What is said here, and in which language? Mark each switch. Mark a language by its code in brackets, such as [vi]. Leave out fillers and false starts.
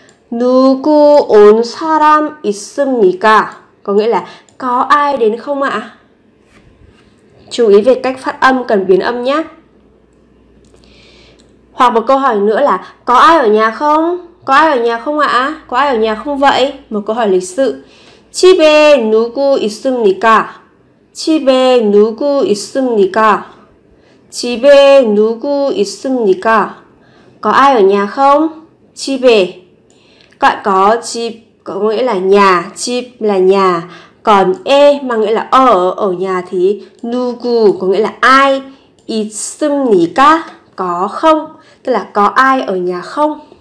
[ko] 누구 온 사람 있습니까 [vi] có nghĩa là có ai đến không ạ. Chú ý về cách phát âm, cần biến âm nhé. Hoặc một câu hỏi nữa là có ai ở nhà không, có ai ở nhà không ạ, có ai ở nhà không vậy. Một câu hỏi lịch sự [ko] 집에 누구 있습니까, 집에 누구 있습니까, 집에 누구 있습니까. [vi] Có ai ở nhà không? 집에. Các bạn có 집 có nghĩa là nhà, 집 là nhà. Còn 에 mà nghĩa là ở nhà thì 누구 có nghĩa là ai, 있습니까 có không? Tức là có ai ở nhà không?